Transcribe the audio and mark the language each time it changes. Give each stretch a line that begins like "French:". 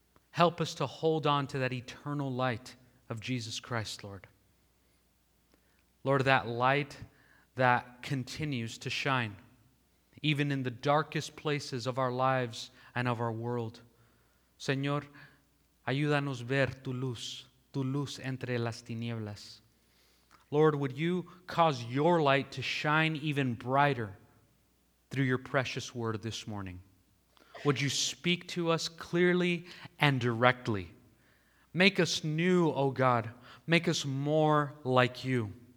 English: Help us to hold on to that eternal light of Jesus Christ, Lord. Lord, that light that continues to shine even in the darkest places of our lives and of our world.
Spanish: Señor, ayúdanos ver tu luz entre las tinieblas.
English: Lord, would you cause your light to shine even brighter through your precious word this morning? Would you speak to us clearly and directly? Make us new, O God. Make us more like you.